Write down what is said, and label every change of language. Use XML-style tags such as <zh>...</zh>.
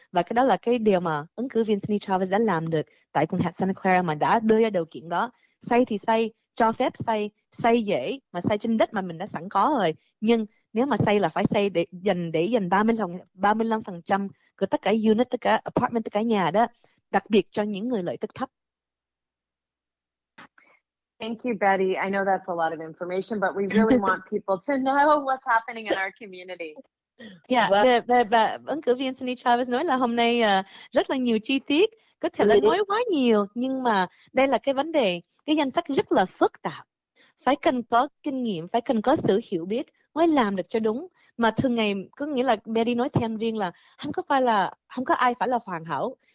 <vi>Và cái đó là cái điều mà ứng cử viên Cindy Chavez đã làm được tại quận hạt Santa Clara, mà đã đưa ra điều kiện đó. Xây thì xây, cho phép xây, xây dễ mà xây trên đất mà mình đã sẵn có rồi, nhưng nếu mà xây là phải xây để dành 35% của tất cả unit, tất cả apartment, tất cả nhà đó, đặc biệt cho những người lợi tức thấp.</vi> <en>Thank you, Betty. I know that's a lot of information, but we really want people to know what's happening in our community.</en> <vi>Yeah, và ứng cử viên Cindy Chavez nói là hôm nay rất là nhiều chi tiết, có thể là nói quá nhiều, nhưng mà đây là cái vấn đề, cái danh sách rất là phức tạp. Phải cần có kinh nghiệm, phải cần có sự hiểu biết mới làm được cho đúng. Mà thường ngày, có nghĩa là Betty nói thêm riêng là không có ai phải là hoàn hảo.</vi>